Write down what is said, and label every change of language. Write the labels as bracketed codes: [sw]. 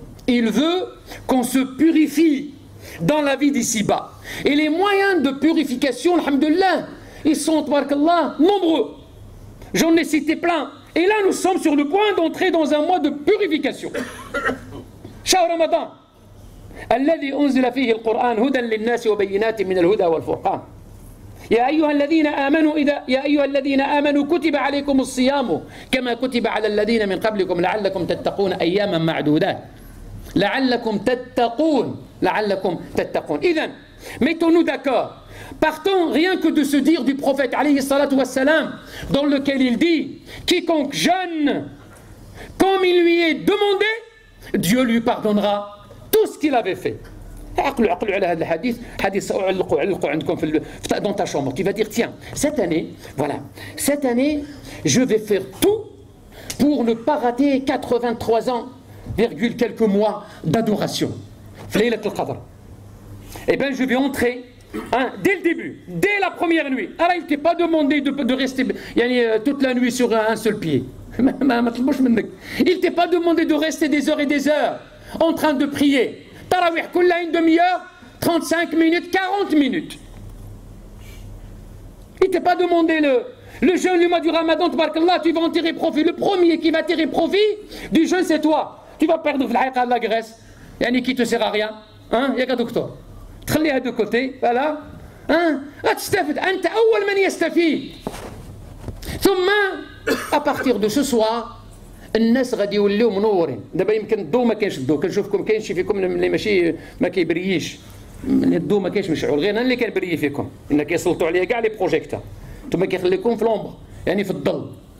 [fr] Il veut qu'on se purifie dans la vie d'ici-bas. Et les moyens de purification, alhamdoulilah, ils sont, tabarakallah, nombreux. J'en ai cité plein. Et là, nous sommes sur le point d'entrer dans un mois de purification. [ar] شهر رمضان الذي أنزل فيه القرآن هدى للناس وبينات من الهدى والفرقان يا أيها الذين آمنوا إذا يا أيها الذين آمنوا كتب عليكم الصيام كما كتب على الذين من قبلكم لعلكم تتقون أياما معدودات لعلكم تتقون لعلكم تتقون. [fr] إذن mettons-nous d'accord. Partons rien que de se dire du prophète alayhi salatu wassalam, dans lequel il dit: quiconque jeûne comme il lui est demandé, Dieu lui pardonnera tout ce qu'il avait fait. [ar] عقلوا على هذا الحديث, حديث علقوا عندكم في [fr] dans ta chambre, qui va dire: tiens, cette année, voilà, cette année je vais faire tout pour ne pas rater 83 ans virgule quelques mois d'adoration. Laylat al-Qadr. Eh bien, je vais entrer, hein, dès le début, dès la première nuit. Alors, il ne t'est pas demandé de rester toute la nuit sur un seul pied. Il ne t'est pas demandé de rester des heures et des heures en train de prier. Tarawih, kulla une demi-heure, 35 minutes, 40 minutes. Il ne t'est pas demandé le jeûne du mois du Ramadan, tabarakallah, tu vas en tirer profit. Le premier qui va tirer profit du jeûne, c'est toi. Tu vas perdre l'haïqa de la graisse. Yanni, qui ne te sert à rien. Hein, il n'y a qu'un docteur. [ar] تخليها دو كوتي فوالا ان تستفد انت اول من يستفيد ثم ا [fr] partir de ce soir [ar] الناس غادي يوليو منورين دابا يمكن الضو ما كاينش الضو كنشوفكم كاين شي فيكم اللي ماشي ما كيبرييش الضو ما كاينش مشعول غير انا اللي كنبري فيكم ان كيسلطوا عليا كاع لي بروجيكتور ثم كيخليكم في لومبر يعني في الظل